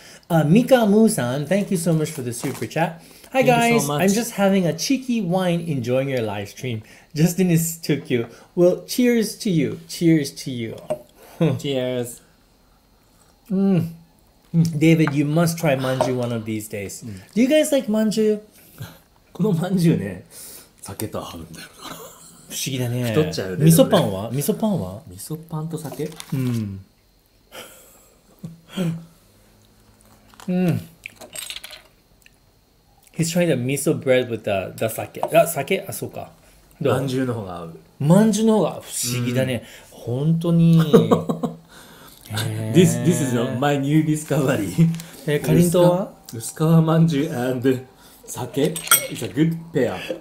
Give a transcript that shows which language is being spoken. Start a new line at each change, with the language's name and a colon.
English: Mikamu san, thank you so much for the super chat. Hi guys, I'm just having a cheeky wine enjoying your live stream. Justin is Tokyo. Well, cheers to you. Cheers to you. Cheers. David, you must try manju one of these days. Do you guys like manju?
Japanese: このまんじゅうね、酒と合うんだよな。不思議だね。太っちゃうね。味噌パンは？味噌パンは？味噌パンと酒？
English: He's trying the miso bread with the sake.
Japanese: あ、酒？あ、そうか。まんじゅうの方が合う。まんじゅうの方が不思議だね。本当に。
English: This is my new discovery.
Japanese: カリンとは
English: 薄皮まんじゅう and 酒 is a good pair.